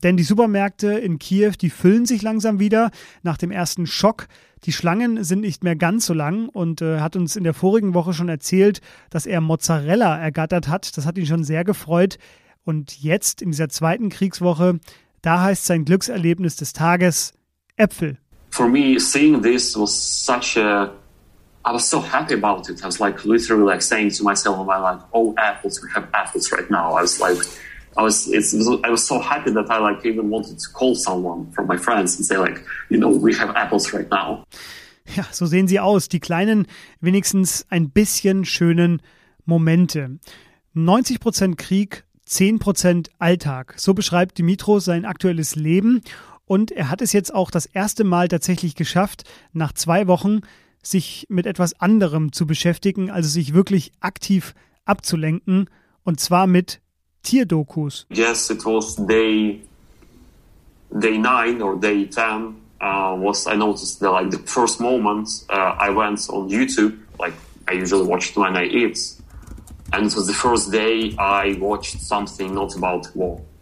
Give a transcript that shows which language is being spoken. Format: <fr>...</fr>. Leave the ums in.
<de>Denn die Supermärkte in Kiew, die füllen sich langsam wieder nach dem ersten Schock. Die Schlangen sind nicht mehr ganz so lang und äh, hat uns in der vorigen Woche schon erzählt, dass er Mozzarella ergattert hat. Das hat ihn schon sehr gefreut. Und jetzt in dieser zweiten Kriegswoche, da heißt sein Glückserlebnis des Tages Äpfel.</de> <en>For me, seeing this was such a I was so happy about it. I was like literally like saying to myself, "Am I like oh apples? We have apples right now." I was like, I was it's it was, I was so happy that I like even wanted to call someone from my friends and say like, you know, we have apples right now.</en> <de>Ja, so sehen sie aus, die kleinen, wenigstens ein bisschen schönen Momente. 90 Prozent Krieg, 10 Prozent Alltag. So beschreibt Dimitro sein aktuelles Leben und er hat es jetzt auch das erste Mal tatsächlich geschafft, nach zwei Wochen sich mit etwas anderem zu beschäftigen, also sich wirklich aktiv abzulenken und zwar mit Tierdokus.</de> <en>Yes, it was day day 9 or day 10 uh, was I noticed that like the first moment uh, I went on YouTube, like I usually watch it when I eat. And it was the first day I watched something not about war.</en>